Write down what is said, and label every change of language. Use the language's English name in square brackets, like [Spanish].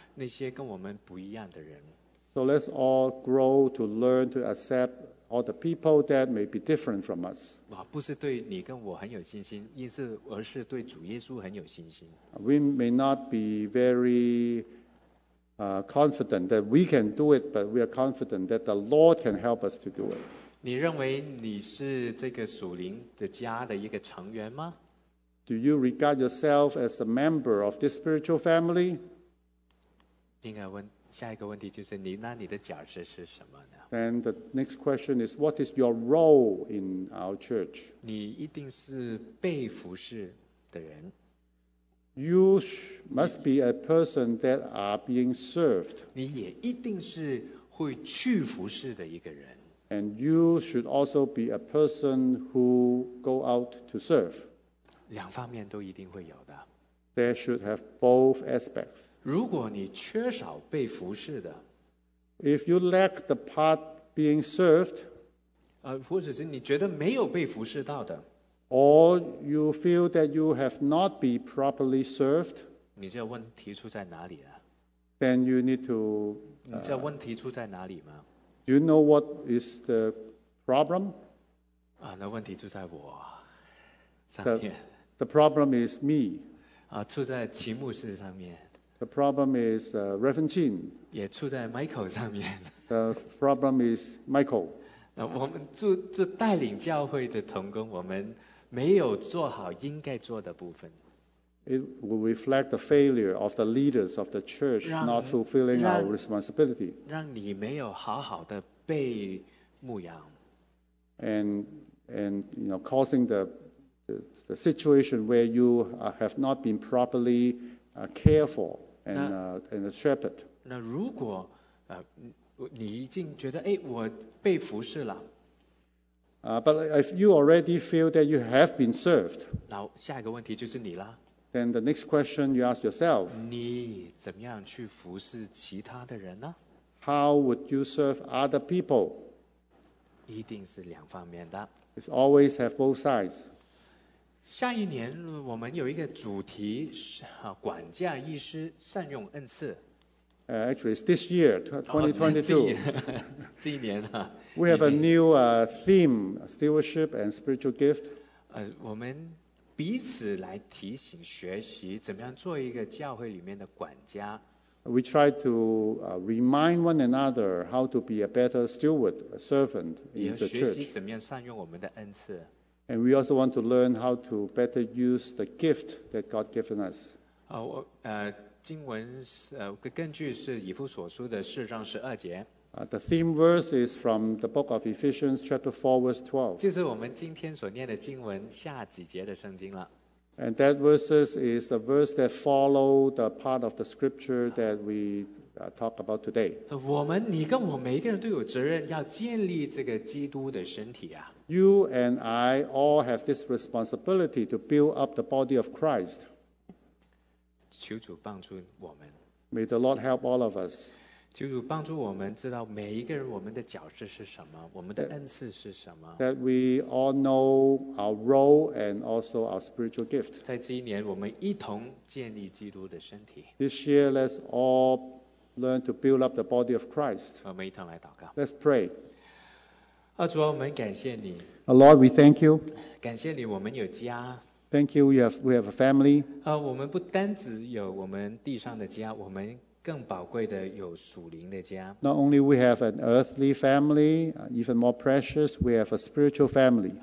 [Chinese] 我们自己慢慢继续的成长，学习怎么样去接纳那些跟我们不一样的人。 [English] So let's all grow to learn to accept all the people that may be different from us. [Chinese] 不是对你跟我很有信心，而是对主耶稣很有信心。 [English] We may not be very confident that we can do it, but we are confident that the Lord can help us to do it. [Chinese] 你认为你是这个属灵的家的一个成员吗？ [English] Do you regard yourself as a member of this spiritual family? [Chinese] 应该问下一个问题就是你那你的角色是什么呢？ [English] Then the next question is, what is your role in our church? [Chinese] 你一定是被服侍的人。 [English] You must be a person that are being served. [Chinese] 你也一定是会去服侍的一个人。 [English] And you should also be a person who go out to serve. [Chinese] 两方面都一定会有的。 [English] There should have both aspects. [Chinese] 如果你缺少被服侍的， [English] If you lack the part being served, [Chinese] 或者是你觉得没有被服侍到的， [English] or you feel that you have not been properly served, [Chinese] 你这问题出在哪里啊？ [English] Then you need to, [Chinese] 你这问题出在哪里吗？ [English] Do you know what is the problem? [Chinese] 那问题出在我上 [English] 面。The problem is me. [Chinese] 出在齐牧师上面。 [English] The problem is Reverend Chin. [Chinese] 也出在 Michael 上面。 [English] The problem is Michael. [Chinese] 我们做带领教会的同工，我们没有做好应该做的部分。 [English] It will reflect the failure of the leaders of the church not fulfilling our responsibility. [Chinese] 让你没有好好的被牧养。 [English] And you know, causing the situation where you have not been properly cared for and shepherd. [Chinese] 那如果你已经觉得我被服侍了。 [English] But if you already feel that you have been served. [Chinese] 那下一个问题就是你了。 [English] Then the next question you ask yourself, [Chinese] 你怎么样去服侍其他的人呢？ [English] How would you serve other people? [Chinese] 一定是两方面的。 [English] It's always have both sides. [Chinese] 下一年我们有一个主题是管教医师善用恩赐。 [English] Actually, it's this year, 2022. [Chinese] 这一年啊。 [English] We have a new theme, stewardship and spiritual gift. [Chinese] 我们彼此来提醒学习怎么样做一个教会里面的管家。 [English] We try to remind one another how to be a better steward, a servant in the church. [Chinese] 也学习怎么样善用我们的恩赐。 [English] And we also want to learn how to better use the gift that God given us. [Chinese] 经文根据是以弗所书的四章十二节。 [English] The theme verse is from the book of Ephesians, chapter 4, verse 12. [Chinese] 就是我们今天所念的经文下几节的圣经了。 [English] And that verse is the verse that follow the part of the scripture that we talk about today. [Chinese] 我们，你跟我每一个人都有责任要建立这个基督的身体啊。 [English] You and I all have this responsibility to build up the body of Christ. [Chinese] 求主帮助我们。 [English] May the Lord help all of us. [Chinese] 求主帮助我们知道每一个人我们的角色是什么，我们的恩赐是什么。 [English] That we all know our role and also our spiritual gift. [Chinese] 在这一年，我们一同建立基督的身体。 [English] This year, let's all learn to build up the body of Christ. [Chinese] 我们一同来祷告。 [English] Let's pray. [Chinese] 主啊，我们感谢你。 [English] Lord, we thank you. [Chinese] 感谢你，我们有家。 [English] Thank you, we have a family. [Chinese] 我们不单只有我们地上的家，我们更宝贵的有属灵的家。 [English] Not only we have an earthly family, even more precious, we have a spiritual family.